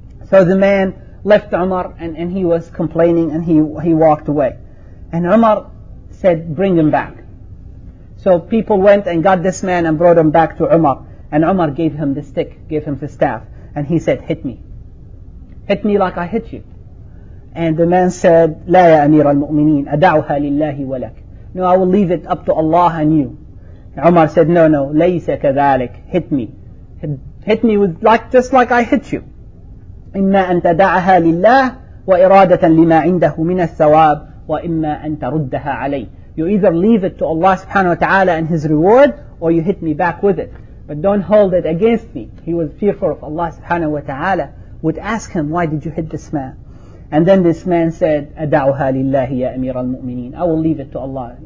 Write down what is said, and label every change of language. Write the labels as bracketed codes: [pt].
[en] So the man left Umar and he was complaining, and he walked away. And Umar said, bring him back. So people went and got this man and brought him back to Umar. And Umar gave him the stick, gave him the staff, and he said, hit me. Hit me like I hit you. And the man said, [ar] لا يا أمير المؤمنين أدعوها لله ولك. [en] No, I will leave it up to Allah and you. And Umar said, no, [ar] ليس كذلك. [en] Hit me. Hit me with like just like I hit you. [ar] إما أن تدعها لله وإرادة لما عنده من الثواب وإما أن تردها علي. [en] You either leave it to Allah subhanahu wa ta'ala and his reward, or you hit me back with it. But don't hold it against me. He was fearful of Allah subhanahu wa ta'ala, would ask him, why did you hit this man? And then this man said, [ar] أدعوها لله يا أمير المؤمنين. [en] I will leave it to Allah.